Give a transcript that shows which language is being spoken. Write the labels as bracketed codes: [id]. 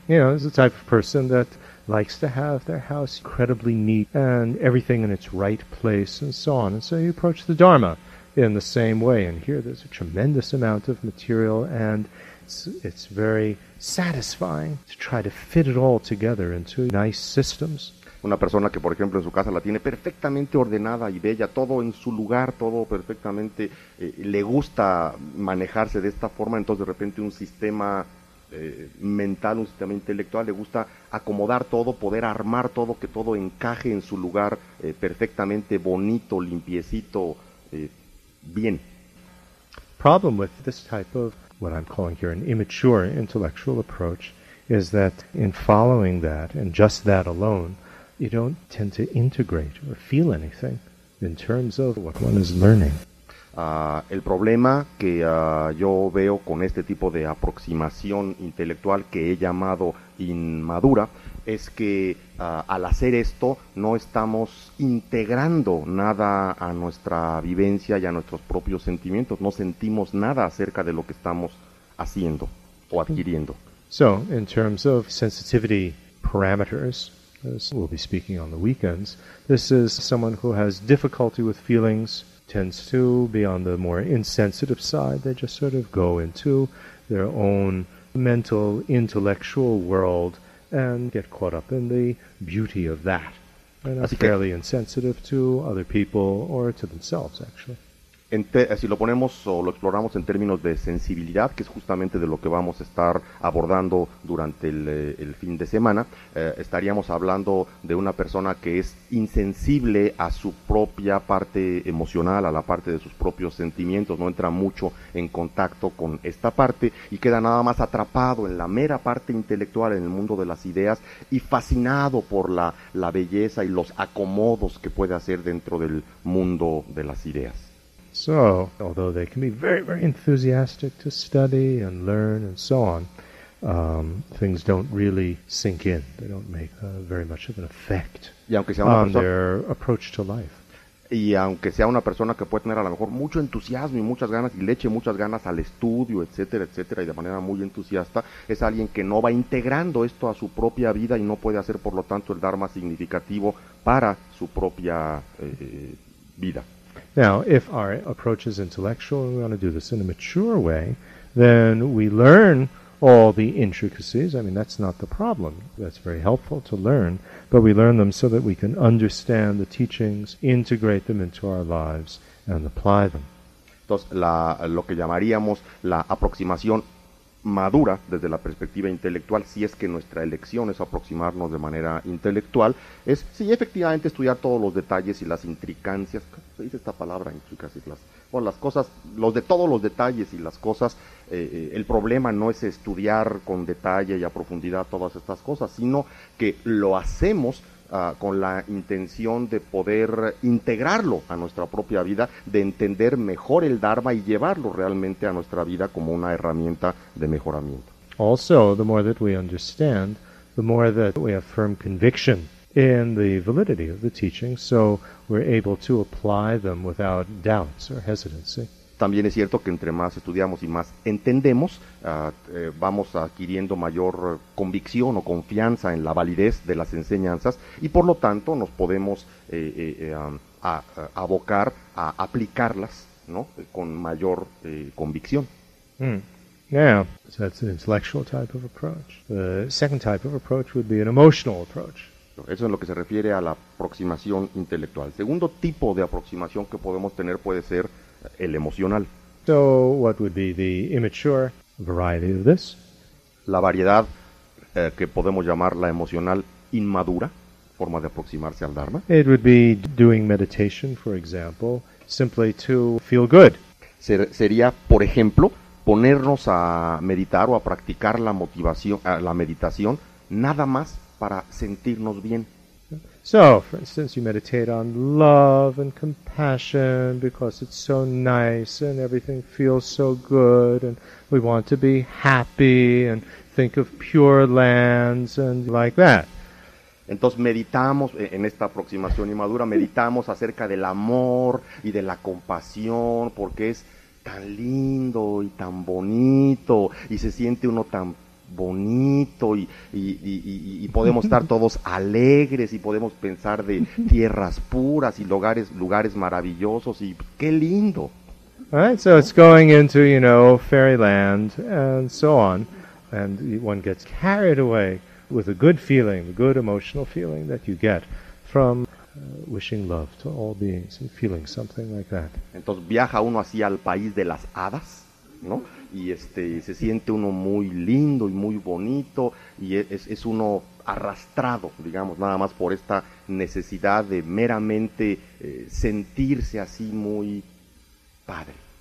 [en] You know, it's the type of person that likes to have their house incredibly neat and everything in its right place and so on. And so you approach the Dharma in the same way. And here there's a tremendous amount of material and it's very satisfying to try to fit it all together into nice systems. [es] Una persona que, por ejemplo, en su casa la tiene perfectamente ordenada y bella, todo en su lugar, todo perfectamente, le gusta manejarse de esta forma, entonces de repente un sistema mental, un sistema intelectual, le gusta acomodar todo, poder armar todo, que todo encaje en su lugar perfectamente bonito, limpiecito, bien. [en] Problem with this type of what I'm calling here an immature intellectual approach is that in following that and just that alone, you don't tend to integrate or feel anything in terms of what one is learning. [es] El problema que yo veo con este tipo de aproximación intelectual que he llamado inmadura es que al hacer esto no estamos integrando nada a nuestra vivencia y a nuestros propios sentimientos. No sentimos nada acerca de lo que estamos haciendo o adquiriendo. [en] So, in terms of sensitivity parameters, as we'll be speaking on the weekends, this is someone who has difficulty with feelings, tends to be on the more insensitive side. They just sort of go into their own mental, intellectual world and get caught up in the beauty of that. And are fairly insensitive to other people or to themselves, actually. [es] Si lo ponemos o lo exploramos en términos de sensibilidad, que es justamente de lo que vamos a estar abordando durante el fin de semana, estaríamos hablando de una persona que es insensible a su propia parte emocional, a la parte de sus propios sentimientos, no entra mucho en contacto con esta parte y queda nada más atrapado en la mera parte intelectual, en el mundo de las ideas y fascinado por la belleza y los acomodos que puede hacer dentro del mundo de las ideas. [en] So, although they can be very, very enthusiastic to study and learn and so on, things don't really sink in. They don't make very much of an effect on their approach to life. [es] Y aunque sea una persona que puede tener a lo mejor mucho entusiasmo y muchas ganas, y le eche muchas ganas al estudio, etcétera, etcétera, y de manera muy entusiasta, es alguien que no va integrando esto a su propia vida y no puede hacer, por lo tanto, el Dharma significativo para su propia vida. [en] Now, if our approach is intellectual and we want to do this in a mature way, then we learn all the intricacies. I mean, that's not the problem. That's very helpful to learn. But we learn them so that we can understand the teachings, integrate them into our lives, and apply them. [es] Entonces, lo que llamaríamos la aproximación madura desde la perspectiva intelectual, si es que nuestra elección es aproximarnos de manera intelectual, es sí, efectivamente estudiar todos los detalles y las intricancias, ¿cómo se dice esta palabra? Intricacias, las cosas, los de todos los detalles y las cosas, el problema no es estudiar con detalle y a profundidad todas estas cosas, sino que lo hacemos con la intención de poder integrarlo a nuestra propia vida, de entender mejor el Dharma y llevarlo realmente a nuestra vida como una herramienta de mejoramiento. [en] Also, the more that we understand, the more that we have firm conviction in the validity of the teachings, so we're able to apply them without doubts or hesitancy. [es] También es cierto que entre más estudiamos y más entendemos, vamos adquiriendo mayor convicción o confianza en la validez de las enseñanzas y por lo tanto nos podemos abocar a aplicarlas, ¿no? Con mayor convicción. [en] Now, so that's an intellectual type of approach. The second type of approach would be an emotional approach. [es] Eso es en lo que se refiere a la aproximación intelectual. Segundo tipo de aproximación que podemos tener puede ser el emocional. [en] So, what would be the immature variety of this? [es] La variedad que podemos llamar la emocional inmadura, forma de aproximarse al Dharma. [en] It would be doing meditation, for example, simply to feel good. [es] Sería, por ejemplo, ponernos a meditar o a practicar la motivación, la meditación, nada más para sentirnos bien. [en] So, for instance, you meditate on love and compassion because it's so nice and everything feels so good and we want to be happy and think of pure lands and like that. [es] Entonces meditamos, en esta aproximación inmadura, meditamos acerca del amor y de la compasión porque es tan lindo y tan bonito y se siente uno tan bonito y podemos estar todos alegres y podemos pensar de tierras puras y lugares maravillosos y qué lindo. [en] All right, so it's going into, you know, fairyland and so on, and one gets carried away with a good feeling, the good emotional feeling that you get from wishing love to all beings and feeling something like that. [es] Entonces viaja uno así al país de las hadas, ¿no? Y se siente uno muy lindo y muy bonito y es uno arrastrado, digamos, nada más por esta necesidad de meramente sentirse así muy padre.